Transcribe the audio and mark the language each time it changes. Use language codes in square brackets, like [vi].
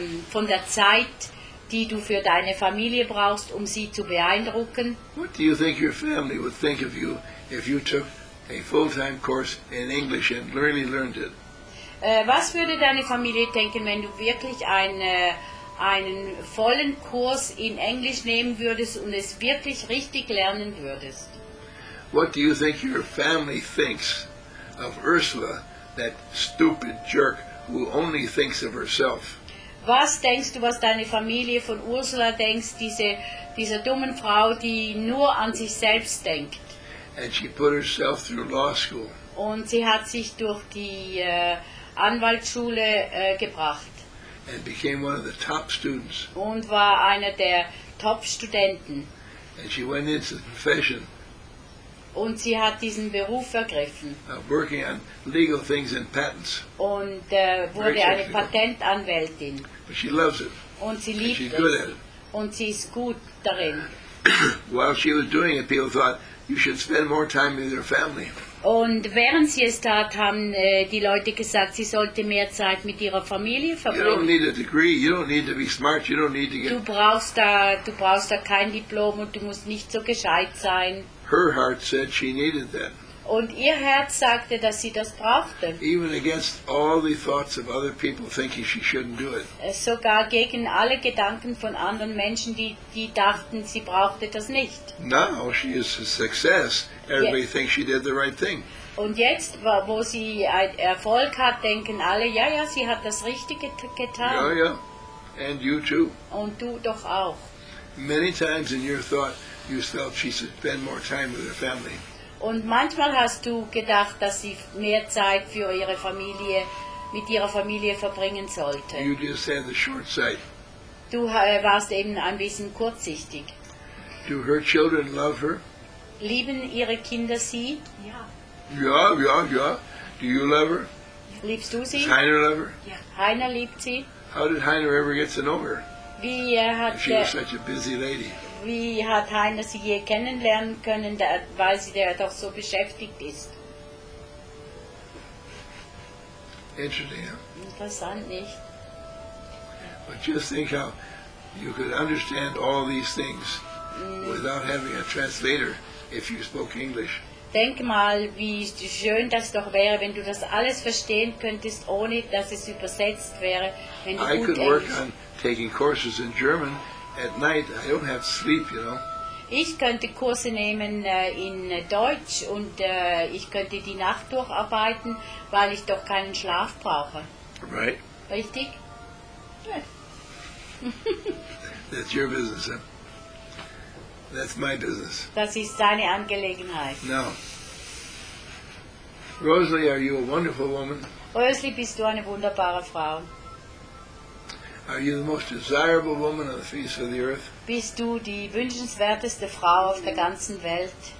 [de] Von der Zeit, die du für deine Familie brauchst, um sie zu beeindrucken. [en] What do you think your family would think of you if you took a full-time course in English and really learned it? [de] Was würde deine Familie denken, wenn du wirklich einen vollen Kurs in Englisch nehmen würdest und es wirklich richtig lernen würdest? [en] What do you think your family thinks of Ursula, that stupid jerk who only thinks of herself? [de] Was denkst du, was deine Familie von Ursula denkt, dieser dummen Frau, die nur an sich selbst denkt? [en] And she put herself through law school. [de] Und sie hat sich durch die Anwaltsschule gebracht. [en] And became one of the top students. [de] Und war einer der Top-Studenten. [en] And she went into the profession. [de] Und sie hat diesen Beruf ergriffen. [en] Working on legal things and patents. [de] Und wurde eine Patentanwältin. [en] But she loves it. [de] Und sie liebt es. [en] Good at it. [de] Und sie ist gut darin. [en] While she was doing it, people thought, you should spend more time with your family. [de] Und während sie es tat, haben die Leute gesagt, sie sollte mehr Zeit mit ihrer Familie verbringen. [en] You don't need a degree, you don't need to be smart, you don't need to get... [de] Du brauchst da kein Diplom und du musst nicht so gescheit sein. [en] Her heart said she needed that. [de] Und ihr Herz sagte, dass sie das brauchte. [en] Even against all the thoughts of other people thinking she shouldn't do it. [de] Sogar gegen alle Gedanken von anderen Menschen, die dachten, sie brauchte das nicht. [en] Now she is a success. Everybody [de] jetzt [en] thinks she did the right thing. [de] Und jetzt, wo sie Erfolg hat, denken alle, ja, sie hat das Richtige getan. [en] Ja. And you too. [de] Und du doch auch. [en] Many times in your thought, you felt she should spend more time with her family. [de] Und manchmal hast du gedacht, dass sie mehr Zeit für ihre Familie, mit ihrer Familie verbringen sollte. [en] You just had the short sight. [de] Du warst eben ein bisschen kurzsichtig. [en] Do her children love her? [de] Lieben ihre Kinder sie? Ja. [en] Do you love her? [de] Liebst du sie? [en] Does Heiner love her? [de] Yeah. Heiner liebt sie. [en] How did Heiner ever get to know her? She was such a busy lady. [de] Wie hat Heiner sie je kennenlernen können, weil sie da doch so beschäftigt ist? Interessant, nicht? [en] But just think how you could understand all these things without having a translator if you spoke English. [de] Denk mal, wie schön das doch wäre, wenn du das alles verstehen könntest, ohne dass es übersetzt wäre, wenn du gut Englisch. [en] I could work on taking courses in German. At night, I don't have sleep, you know. [de] Ich könnte Kurse nehmen in Deutsch und ich könnte die Nacht durcharbeiten, weil ich doch keinen Schlaf brauche. [en] Right. [de] Richtig? [en] Yeah. That's your business, huh? That's my business. [de] Das ist deine Angelegenheit. [en] No. Rosalie, are you a wonderful woman? [de] Rosalie, bist du eine wunderbare Frau? [en] Are you the most desirable woman on the face of the earth? [de] Bist du die wünschenswerteste Frau auf der ganzen Welt?